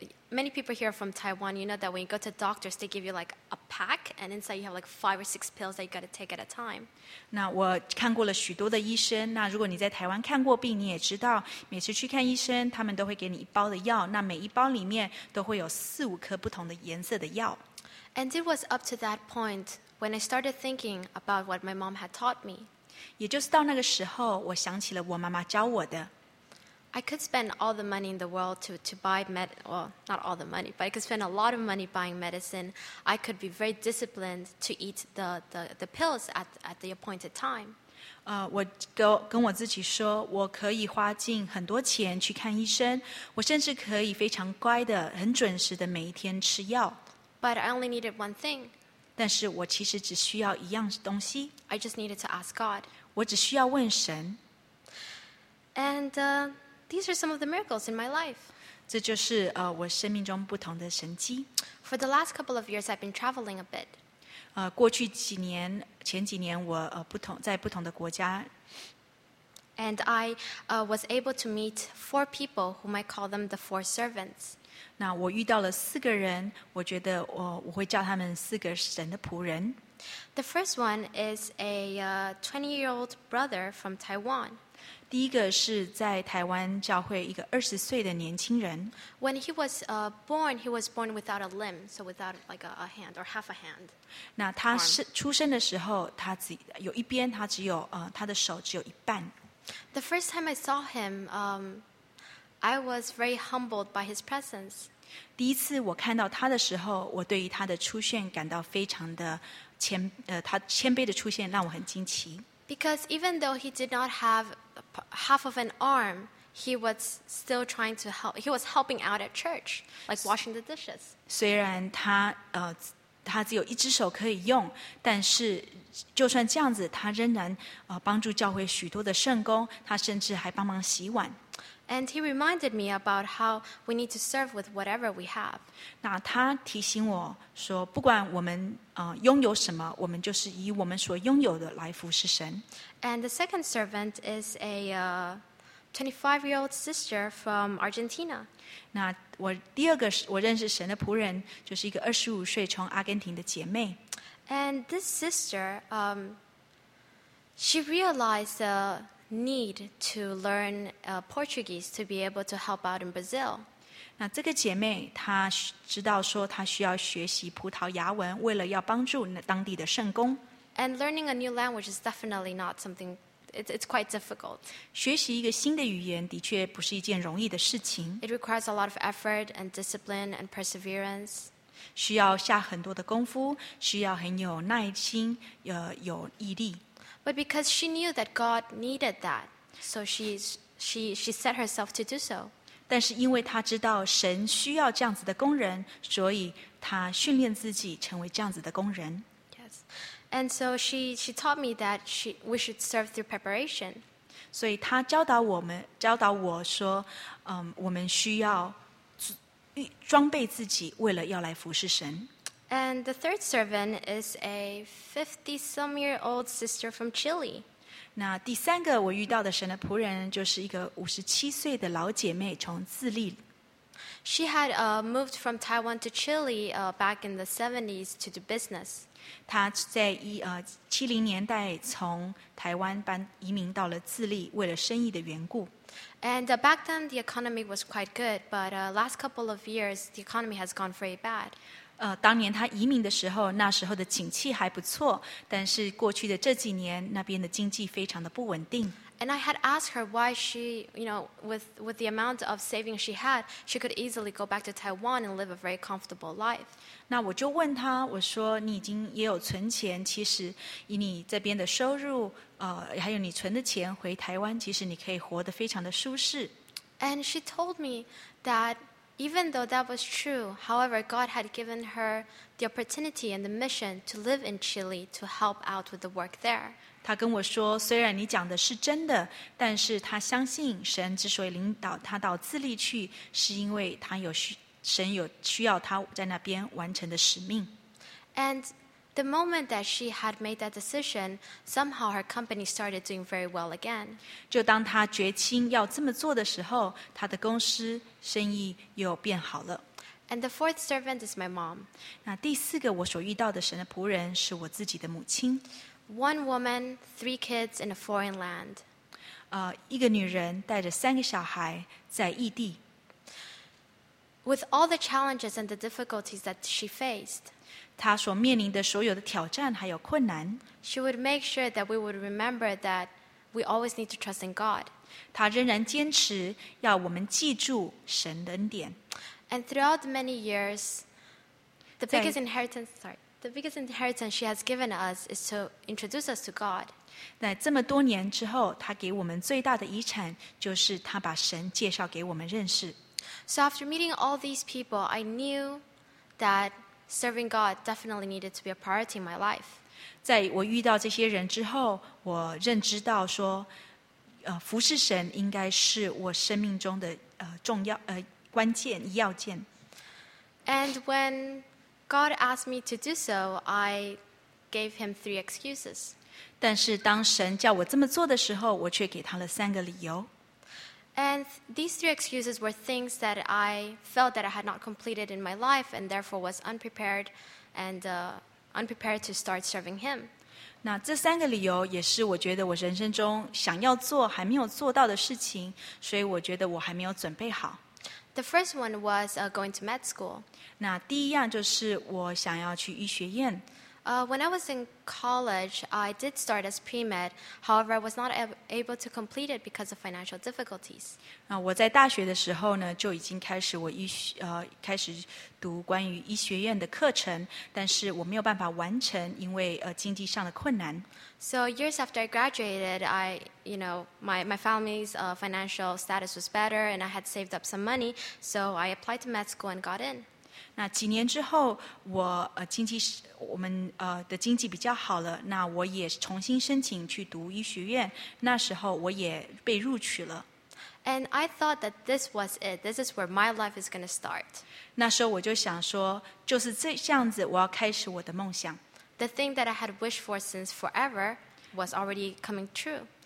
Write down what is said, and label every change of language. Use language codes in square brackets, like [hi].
[en] Many people here from Taiwan, you know that when you go to doctors, they give you like a pack, and inside you have like 5 or 6 pills that you got to take at a time. [zh] 那我看过了许多的医生。那如果你在台湾看过病，你也知道，每次去看医生，他们都会给你一包的药。那每一包里面都会有4、5颗不同的颜色的药。 [en] And it was up to that point when I started thinking about what my mom had taught me. [zh] 也就是到那个时候，我想起了我妈妈教我的。 [en] I could spend all the money in the world to buy not all the money, but I could spend a lot of money buying medicine. I could be very disciplined to eat the pills at the appointed time. [zh] 我跟我自己说，我可以花尽很多钱去看医生，我甚至可以非常乖的、很准时的每一天吃药。 [en] But I only needed one thing. [zh] 但是我其实只需要一样东西。 [en] I just needed to ask God. [zh] 我只需要问神。 [en] And these are some of the miracles in my life. [zh] 这就是我生命中不同的神迹。 [en] For the last couple of years, I've been traveling a bit. [zh] 过去几年，前几年我在不同的国家。 [en] And I was able to meet 4 people, whom I call them the 4 servants. [zh] 那我遇到了四个人，我觉得我会叫他们四个神的仆人。 [en] The first one is a 20-year-old brother from Taiwan. [zh] 第一个是在台湾教会一个20岁的年轻人。 [en] When he was born, he was born without a limb, so without like a hand or half a hand. [zh] 那他出生的时候，他只有一边，他只有他的手只有一半。 [en] The first time I saw him, I was very humbled by his presence. [zh] 第一次我看到他的时候，我对于他的出现感到非常的他谦卑的出现让我很惊奇。 [en] Because even though he did not have half of an arm, he was still trying to help. He was helping out at church, like washing the dishes. [zh] 虽然他他只有一只手可以用，但是就算这样子，他仍然帮助教会许多的圣工。他甚至还帮忙洗碗。 [en] And he reminded me about how we need to serve with whatever we have. [zh] 那他提醒我说，不管我们拥有什么，我们就是以我们所拥有的来服侍神。 [en] And the second servant is a 25-year-old sister from Argentina. [zh] 那我第二个我认识神的仆人，就是一个25岁从阿根廷的姐妹。 [en] And this sister, she realized the need to learn Portuguese to be able to help out in Brazil. [zh] 那这个姐妹她知道说她需要学习葡萄牙文，为了要帮助当地的圣工。 [en] And learning a new language is definitely not something. It's quite difficult. [zh] 学习一个新的语言的确不是一件容易的事情。 [en] It requires a lot of effort and discipline and perseverance. [zh] 需要下很多的功夫，需要很有耐心，有毅力。 [en] But because she knew that God needed that, so she set herself to do so. [zh] 但是因为她知道神需要这样子的工人，所以她训练自己成为这样子的工人。 [en] Yes. And so she taught me that we should serve through preparation. [zh] 所以她教导我们，教导我说，我们需要装备自己，为了要来服侍神。 [en] And the third servant is a 50-some-year-old sister from Chile. [zh] 那第三个我遇到的神的仆人就是一个57岁的老姐妹，从智利。 [en] She had moved from Taiwan to Chile back in the 70s to do business. [zh] 她在70年代从台湾移民到了智利，为了生意的缘故。 [en] And back then the economy was quite good, but last couple of years the economy has gone very bad. [zh] 当年他移民的时候，那时候的景气还不错，但是过去的这几年，那边的经济非常的不稳定。 [en] And I had asked her why she, you know, with the amount of savings she had, she could easily go back to Taiwan and live a very comfortable life. [zh] 那我就问她，我说你已经也有存钱，其实以你这边的收入，还有你存的钱回台湾，其实你可以活得非常的舒适。 [en] And she told me that even though that was true, however, God had given her the opportunity and the mission to live in Chile to help out with the work there. [zh] 她跟我说，虽然你讲的是真的，但是她相信神之所以领导她到智利去，是因为她有神有需要她在那边完成的使命。 [en] And the moment that she had made that decision, somehow her company started doing very well again. [zh] 就当她决心要这么做的时候，她的公司生意又变好了。 [en] And the fourth servant is my mom. [zh] 那第四个我所遇到的神的仆人是我自己的母亲。 [en] One woman, three kids in a foreign land. [zh] 一个女人带着三个小孩在异地。 [en] With all the challenges and the difficulties that she faced, [zh] 她所面临的所有的挑战还有困难。 [en] She would make sure that we would remember that we always need to trust in God. [zh] 她仍然坚持要我们记住神的恩典。 [en] And throughout the many years, the biggest inheritance she has given us is to introduce us to God. [zh] 在这么多年之后，她给我们最大的遗产就是她把神介绍给我们认识。 [en] So after meeting all these people, I knew that serving God definitely needed to be a priority in my life. [zh] 在我遇到这些人之后，我认知到说，服侍神应该是我生命中的重要关键要件。 [en] And when God asked me to do so, I gave him three excuses. [zh] 但是当神叫我这么做的时候，我却给他了三个理由。 [en] And these three excuses were things that I felt that I had not completed in my life and therefore was unprepared and unprepared to start serving him. [zh] 那这三个理由也是我觉得我人生中想要做还没有做到的事情，所以我觉得我还没有准备好。 [en] The first one was going to med school. [zh] 那第一样就是我想要去医学院。 [en] When I was in college, I did start as pre-med. However, I was not able to complete it because of financial difficulties. [zh] 我在大学的时候呢，就已经开始我医学开始读关于医学院的课程，但是我没有办法完成，因为经济上的困难。 [en] So years after I graduated, my family's financial status was better, and I had saved up some money, so I applied to med school and got in. [zh] 那几年之后，我经济我们的经济比较好了，那我也重新申请去读医学院，那时候我也被录取了。 [en] And I thought that this was it. This is where my life is going to start. [zh] 那时候我就想说，就是这样子，我要开始我的梦想。 [en] The thing that I had wished for since forever was already coming true.